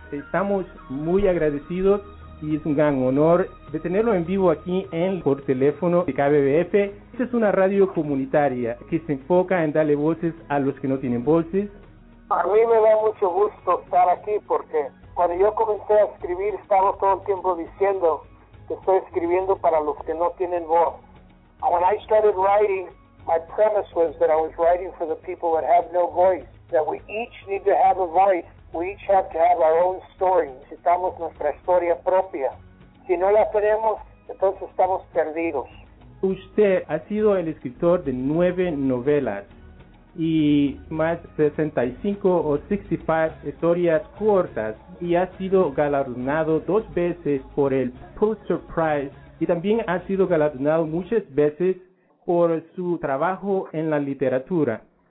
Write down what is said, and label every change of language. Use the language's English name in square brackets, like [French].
[Spanish] Estamos muy agradecidos y es un gran honor de tenerlo en vivo aquí en por teléfono de KBBF. Esta es una radio comunitaria que se enfoca en darle voces a los que no tienen voces. A mí me da mucho gusto estar aquí porque cuando yo comencé a escribir estaba todo el tiempo diciendo que estoy escribiendo para los que no tienen voz. [English] When I started writing, my premise was that I was writing for the people that have no voice, that we each need to have a voice, we each have to have our own story, [Spanish] necesitamos nuestra historia propia. Si no la tenemos, entonces estamos perdidos. Usted ha sido el escritor de 9 novelas y más 65 o 65 historias cortas y ha sido galardonado 2 veces por el Pulitzer Prize. Y también ha sido galardonado muchas veces por su trabajo en la literatura.